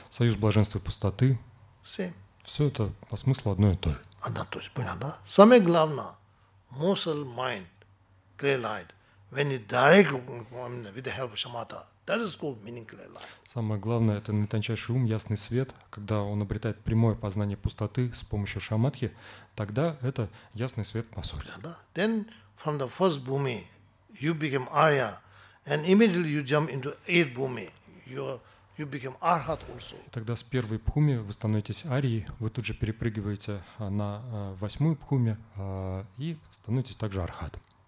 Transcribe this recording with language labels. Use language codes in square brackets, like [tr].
[ru] союз блаженства и пустоты, [en] same. [ru] Все это по смыслу одно и то же. Одно и то же, понятно, да? Самое главное, [en] muscle, mind, clear light, when it directly with the help of shamatha, that is called meaning clear light. [ru] Самое главное это наитончайший ум, ясный свет, когда он обретает прямое познание пустоты с помощью шамадхи, тогда это ясный свет по сути. [en] Then from the first bhumi, you became arya, and immediately you jump into eighth bhumi, you became arhat also. [ru] И тогда с первой бхуми вы становитесь арией, вы тут же перепрыгиваете на восьмую бхуми и становитесь также архатом.